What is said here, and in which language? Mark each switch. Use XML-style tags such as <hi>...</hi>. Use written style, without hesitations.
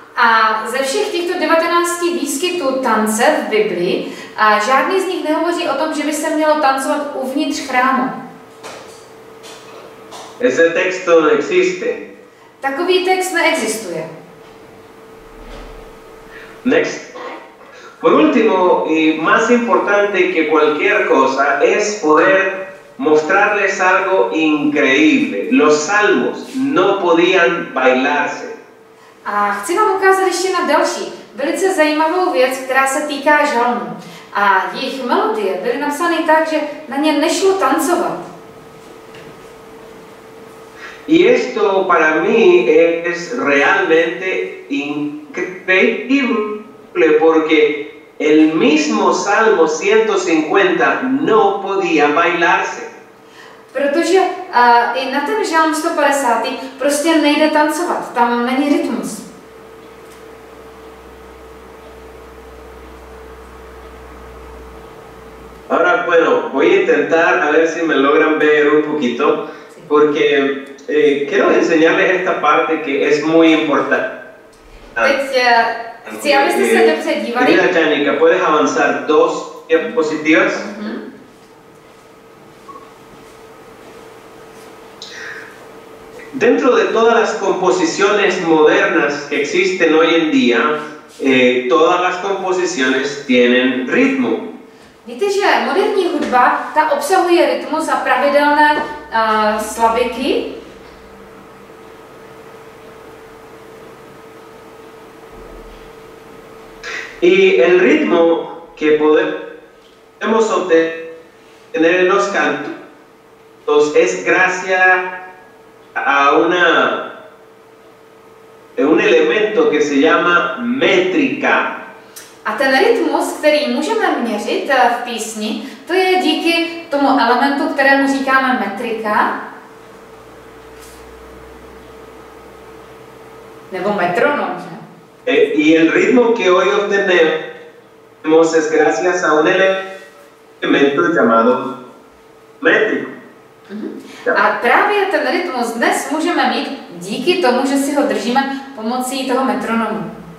<cs>A ze všech těchto 19 výskytů tance v Biblii, a žádný z nich nehovoří o tom, že by se mělo tancovat uvnitř chrámu.</cs> <es>Ese texto existe.</es> <cs>Takový text neexistuje.</cs> <en>Next.</en> <es>Por último y más importante que cualquier cosa es poder mostrarles algo increíble. Los salmos no podían bailarse.</es> <cs>A chci vám ukázat ještě na další, velice zajímavou věc, která se týká žalmů. A jejich melodie byly napsány tak, že na ně nešlo tancovat.</cs> <es>Y esto para mí es realmente increíble, porque el mismo Salmo 150 no podía bailarse.</es> <cs>Protože i na ten žalm 150. prostě nejde tancovat, tam není rytmus.</cs> <es>Ahora bueno, voy a intentar a ver si me logran ver un poquito, porque quiero enseñarles esta parte que es muy importante.</es> <cs>Teď, si a veces se dobře dívali.</cs> <es>Mira, Janica, ¿puedes avanzar dos diapositivas? Dentro de todas las composiciones modernas que existen hoy en día, todas las composiciones tienen ritmo.</es> <cs>Víte, že moderní hudba, ta obsahuje rytmus a pravidelné slabiky?</cs> <es>Y el ritmo que podemos obtener en los cantos es gracias a un elemento que se llama métrica.</es> <cs>A ten rytmus, který můžeme měřit v písni, to je díky tomu elementu, kterému říkáme metrika. Nebo metronom, že?</cs> <es>Y el ritmo que hoy obtenemos es gracias a un elemento llamado métrico.</es> <cs>A právě ten rytmus dnes můžeme mít díky tomu, že si ho držíme pomocí toho metronomu.</cs>